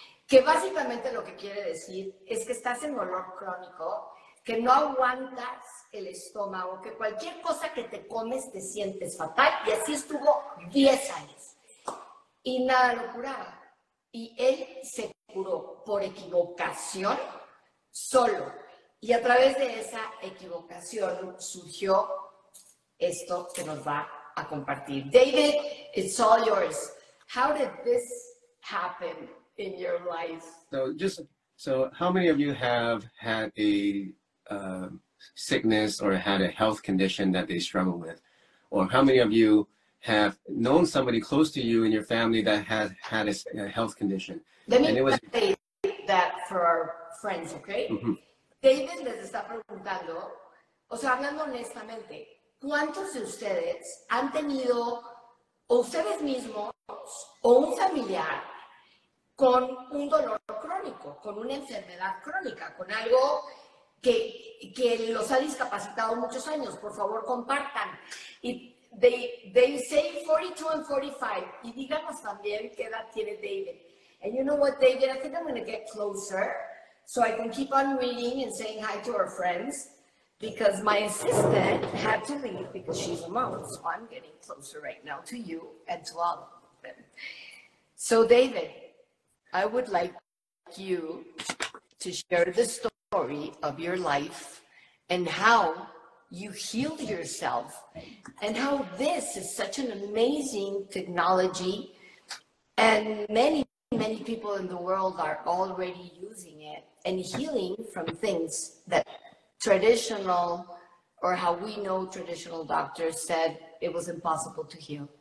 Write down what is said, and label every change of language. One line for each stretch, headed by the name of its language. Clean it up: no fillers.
Spanish: Que básicamente lo que quiere decir es que estás en dolor crónico, que no aguantas el estómago, que cualquier cosa que te comes te sientes fatal, y así estuvo 10 años. Y nada lo curaba. Y él se curó por equivocación solo. Y a través de esa equivocación surgió esto que nos va a compartir.
English: David, it's all yours. How did this happen in your life? So how many of you have had a sickness or had a health condition that they struggle with? Or how many of you have known somebody close to you in your family that had had a health condition? Say that for our friends, okay? Mm-hmm.
Spanish: David les está preguntando, o sea, hablando honestamente, ¿cuántos de ustedes han tenido, o ustedes mismos, o un familiar, con un dolor crónico, con una enfermedad crónica, con algo que los ha discapacitado muchos años? Por favor, compartan. Y
English: they say 42 and 45,
Spanish: y díganos también qué edad tiene David.
English: And you know what, David, I think I'm going to get closer, so I can keep on reading and saying hi to our friends, because my assistant had to leave because she's a mom. So I'm getting closer right now to you and to all of them. So David, I would like you to share the story of your life and how you healed yourself and how this is such an amazing technology and many, many people in the world are already using it and healing from things that traditional, or how we know traditional doctors said it was impossible to heal.